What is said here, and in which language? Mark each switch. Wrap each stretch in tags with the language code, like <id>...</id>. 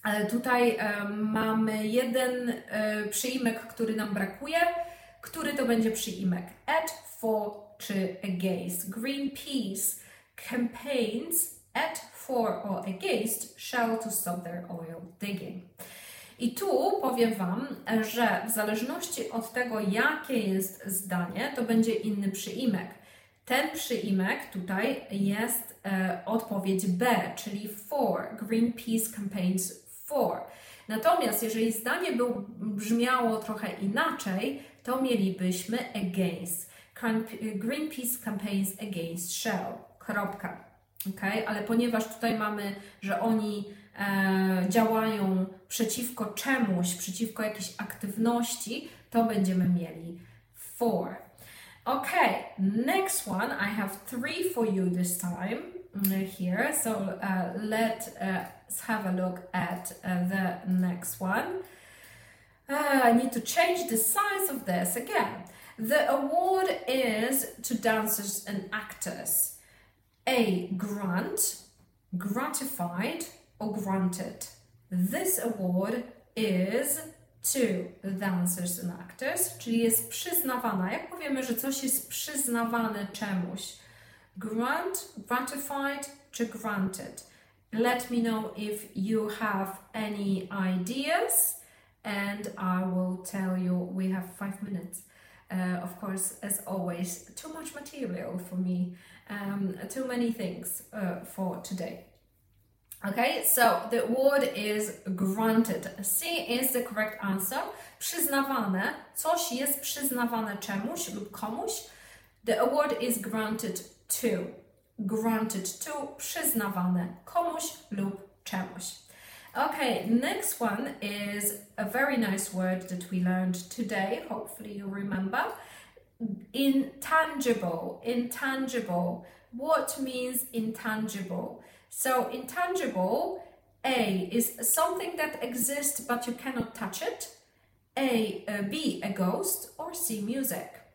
<pl>Tutaj mamy jeden przyimek, który nam brakuje. Który to będzie przyimek?</pl> <en>At, for,</en> <pl>czy</pl> <en>against? Greenpeace campaigns at, for, or against Shell to stop their oil digging.</en> <pl>I tu powiem Wam, że w zależności od tego, jakie jest zdanie, to będzie inny przyimek. Ten przyimek tutaj jest odpowiedź B, czyli for,</pl> <en>Greenpeace campaigns for.</en> <pl>Natomiast jeżeli zdanie brzmiało trochę inaczej, to mielibyśmy against,</pl> <en>Greenpeace campaigns against Shell,</en> <pl>kropka. Okay? Ale ponieważ tutaj mamy, że oni działają przeciwko czemuś, przeciwko jakiejś aktywności, to będziemy mieli for.</pl> <en>Okay, next one, I have three for you this time here, so let's have a look at the next one. I need to change the size of this again. The award is to dancers and actors. A, grant, gratified, or granted. This award is to dancers and actors,</en> <pl>czyli jest przyznawana. Jak powiemy, że coś jest przyznawane czemuś?</pl> <en>grant, ratified, to granted. Let me know if you have any ideas and I will tell you. We have 5 minutes. Of course, as always, too much material for me, too many things for today. Okay, so the word is granted. C is the correct answer.</en> <pl>Przyznawane. Coś jest przyznawane czemuś lub komuś.</pl> <en>The award is granted to. Granted to.</en> <pl>Przyznawane komuś lub czemuś.</pl> <en>Okay, next one is a very nice word that we learned today. Hopefully you remember. Intangible. Intangible. What means intangible? So, intangible, A, is something that exists but you cannot touch it, A, B, a ghost, or C, music.</en>